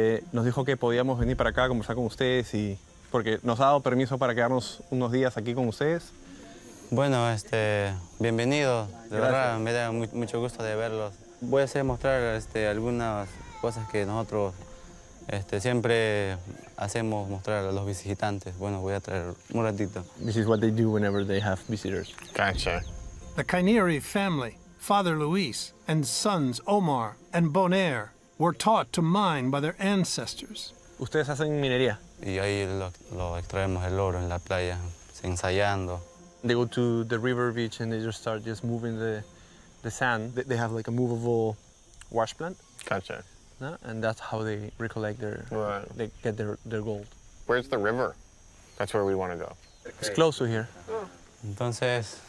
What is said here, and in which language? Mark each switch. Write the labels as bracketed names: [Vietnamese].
[Spanish] Nos dijo que podíamos venir para acá a conversar con ustedes y porque nos ha dado permiso para quedarnos unos días aquí con ustedes. Bueno, bienvenido. De verdad, me da mucho gusto de verlos. Voy a mostrar algunas cosas que nosotros siempre hacemos mostrar a los visitantes. Bueno, voy a traer un ratito. [English] This is what they do whenever they have visitors. Gotcha. The Cainieri family, Father Luis, and sons Omar and Bonair, were taught to mine by their ancestors. [Spanish] Ustedes hacen minería. Y ahí lo extraemos el oro en la playa, ensayando. [English] They go to the river beach and they just start just moving the sand. They have like a movable wash plant. Gotcha. No? And that's how they recollect their, right. They get their gold. Where's the river? That's where we want to go. It's close to here. [Spanish] Entonces,